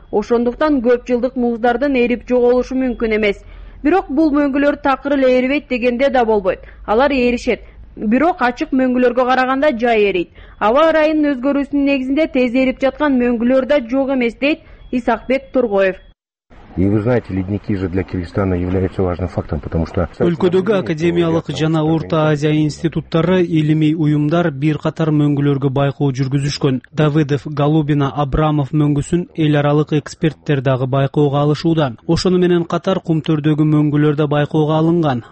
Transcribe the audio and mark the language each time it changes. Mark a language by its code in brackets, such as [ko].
[ky] Ошондуктан көп жылдык муздардын ээрип жоголушу мүмкүн эмес. Бирок бул мөңгүлөр такыр эле ээрибейт дегенде да болбойт. Алар ээришет. Бирок ачык мөңгүлөргө караганда жай эрийт. Аба ырайынын өзгөрүүсүнүн негизинде тез эрип жаткан мөңгүлөр да жок эмес, дейт Исакбек Торгоев. [ru] И вы знаете, ледники же для Кыргызстана являются важным фактом, потому что [ky] өлкөдөгү академиялык жана Орто Азия институттары, илимий уюмдар бир катар мөңгүлөргө байкоо жүргүзүшкөн. Давыдов, Голубина, Абрамов мөңгүсүн эл аралык эксперттер дагы байкоого алышууда. Ошону менен катар Кумтөрдөгү мөңгүлөр да байкоого алынган.